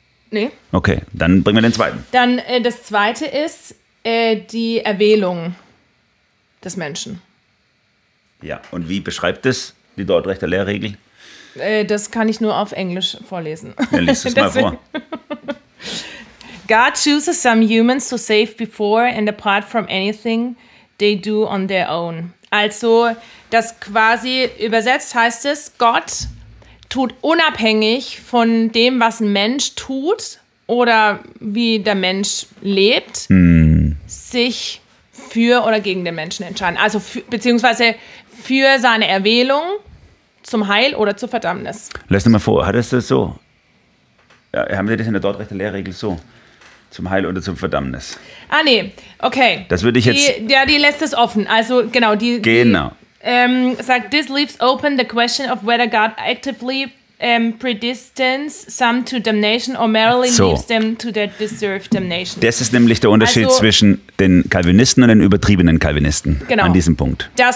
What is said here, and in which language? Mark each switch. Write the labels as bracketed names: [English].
[German] Nee. Okay, dann bringen wir den zweiten. Dann das zweite ist die Erwählung des Menschen. Ja, und wie beschreibt es die Dortrechter Lehrregel? Das kann ich nur auf Englisch vorlesen. Dann liest es mal vor. [English] God chooses some humans to save before and apart from anything they do on their own. [German] Also, das quasi übersetzt heißt es, Gott tut unabhängig von dem, was ein Mensch tut oder wie der Mensch lebt, sich für oder gegen den Menschen entscheiden. Also beziehungsweise für seine Erwählung zum Heil oder zur Verdammnis. Lass dir mal vor, hattest du das so? Ja, haben wir das in der Dortrechter Lehrregel so? Zum Heil oder zum Verdammnis? Ah nee, okay. Das würde ich jetzt... Die lässt es offen. Also genau. Sagt, [English] this leaves open the question of whether God actively predestines some to damnation or merely leaves them to their deserved damnation. [German] Das ist nämlich der Unterschied zwischen den Calvinisten und den übertriebenen Calvinisten an diesem Punkt.